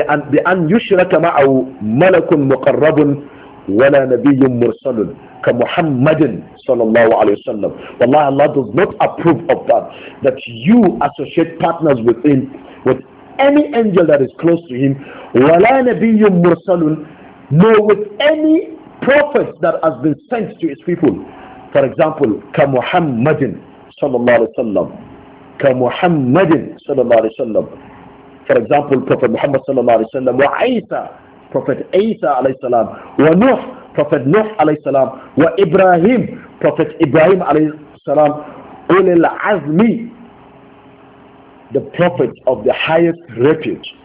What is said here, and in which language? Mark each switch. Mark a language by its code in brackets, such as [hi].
[ar] بأن يشرك معه ملك مقرب ولا نبي مرسل كمحمد صلى الله عليه وسلم. [en] والله, Allah does not approve of that, that you associate partners with him, with any angel that is close to him, [ar] ولا نبي مرسل, [en] nor with any prophet that has been sent to his people. For example, [ar] كمحمد صلى الله عليه وسلم, كمحمد صلى الله عليه وسلم. [en] For example, Prophet Muhammad صلى الله عليه وسلم, وعيسى, Prophet Isa alayhi salam, wa Nuh, Prophet Nuh alayhi salam, wa Ibrahim, Prophet Ibrahim alayhi salam, ulil azmi, the prophet of the highest repute.